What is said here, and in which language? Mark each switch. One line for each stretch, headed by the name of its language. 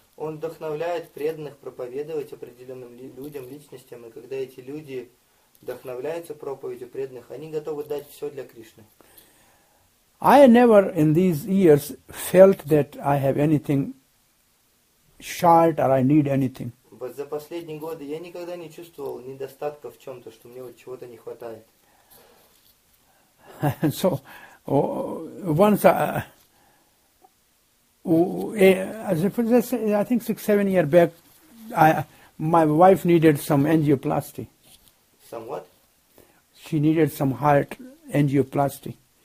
Russian: Он вдохновляет преданных проповедовать определенным людям, личностям, и когда эти люди вдохновляются проповедью преданных, они готовы дать все для Кришны.
English: I never in these years felt that I have anything short or I need anything.
Russian: Вот за последние годы я никогда не чувствовал недостатка в чем-то, что мне вот чего-то не хватает.
English: So, once, I think 6-7 years back, my wife needed some angioplasty. Some what? She needed some heart angioplasty.